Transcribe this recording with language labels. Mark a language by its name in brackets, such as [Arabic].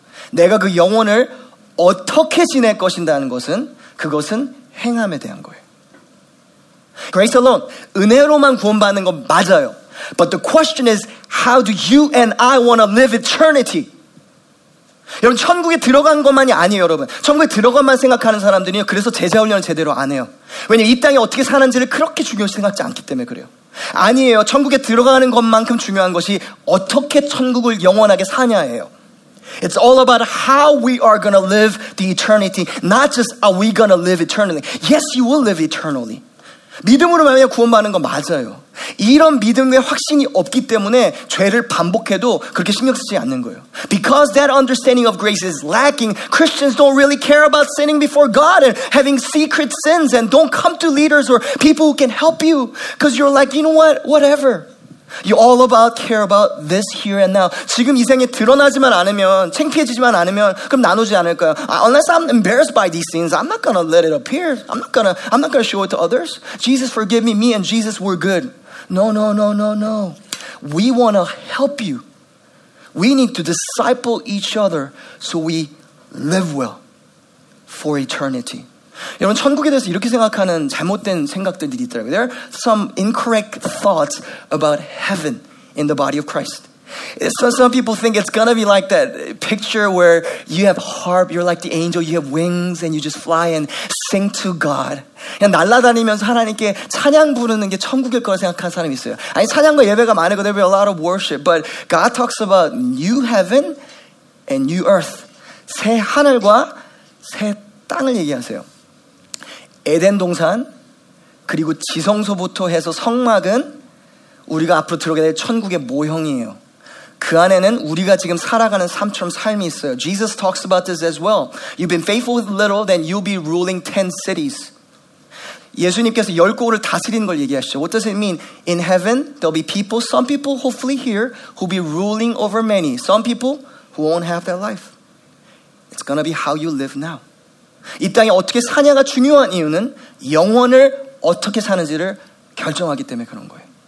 [Korean] 내가 그 영혼을 어떻게 지낼 것인다는 것은 그것은 행함에 대한 거예요. [English] Grace alone. [Korean] 은혜로만 구원받는 건 맞아요. [English] But the question is, how do you and I want to live eternity? [Korean] 여러분, 천국에 들어간 것만이 아니에요, 여러분. 천국에 들어간만 생각하는 사람들이요. 그래서 제자훈련을 제대로 안 해요. 왜냐면 이 땅에 어떻게 사는지를 그렇게 중요시 생각지 않기 때문에 그래요. 아니에요. 천국에 들어가는 것만큼 중요한 것이 어떻게 천국을 영원하게 사냐예요. [English] It's all about how we are going to live the eternity, not just are we going to live eternally. Yes, you will live eternally. [Korean] 믿음으로 말미암아 구원받는 건 맞아요. 이런 믿음의 확신이 없기 때문에 죄를 반복해도 그렇게 신경 쓰지 않는 거예요. [English] Because that understanding of grace is lacking, Christians don't really care about sinning before God and having secret sins and don't come to leaders or people who can help you because you're like, you know what, whatever. You're all about, care about this here and now. [Korean] 지금 이 생에 드러나지만 않으면, 창피해지지만 않으면 그럼 나누지 않을까요? [English] Unless I'm embarrassed by these things, I'm not gonna let it appear. I'm not gonna show it to others. Jesus, forgive me. Me and Jesus, we're good. No, no, no, no, no. We want to help you. We need to disciple each other so we live well for eternity. [Korean] 여러분 천국에 대해서 이렇게 생각하는 잘못된 생각들이 있더라고요. [English] There are some incorrect thoughts about heaven in the body of Christ. So some people think it's gonna be like that picture where you have harp, you're like the angel, you have wings, and you just fly and sing to God. [Korean] 그냥 날아다니면서 하나님께 찬양 부르는 게 천국일 거라 생각한 사람이 있어요. 아니 찬양과 예배가 많은 거, [English] there will be a lot of worship. But God talks about new heaven and new earth. [Korean] 새 하늘과 새 땅을 얘기하세요. 에덴 동산 그리고 지성소부터 해서 성막은 우리가 앞으로 들어가게 될 천국의 모형이에요. 그 안에는 우리가 지금 살아가는 삶처럼 삶이 있어요. [English] Jesus talks about this as well. You've been faithful with little, then you'll be ruling 10 cities. [Korean] 예수님께서 열 고을을 다스리는 걸 얘기하시죠. [English] What does it mean? In heaven, there'll be people, some people hopefully here, who'll be ruling over many. Some people who won't have their life. It's gonna be how you live now. [Korean] 이 땅에 어떻게 사냐가 중요한 이유는 영혼을 어떻게 사는지를 결정하기 때문에 그런 거예요.